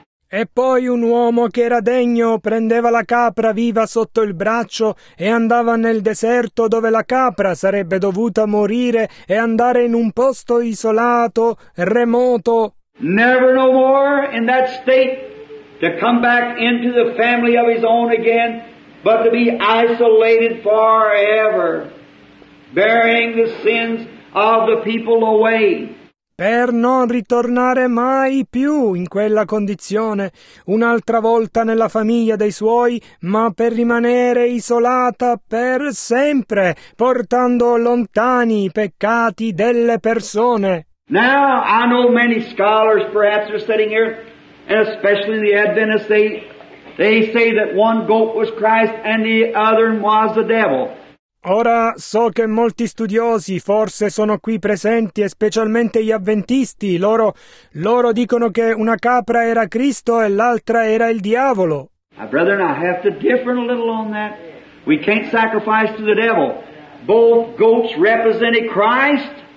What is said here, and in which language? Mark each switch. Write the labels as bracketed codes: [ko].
[it] E poi un uomo che era degno prendeva la capra viva sotto il braccio e andava nel deserto dove la capra sarebbe dovuta morire e andare in un posto isolato, remoto. [en] Never no more in that state to come back into the family of his own again, but to be isolated forever. Bearing the sins of the people away. [it] per non ritornare mai più in quella condizione, un'altra volta nella famiglia dei suoi, ma per rimanere isolata per sempre, portando lontani i peccati delle persone. [en] Now I know many scholars perhaps are sitting here, and especially in the Adventists, they say that one goat was Christ and the other was the devil. [it] Ora so che molti studiosi forse sono qui presenti, specialmente gli avventisti. Loro dicono che una capra era Cristo e l'altra era il diavolo. [en] My brethren, I have to differ a little on that. We can't sacrifice to the devil. Both goats represented Christ.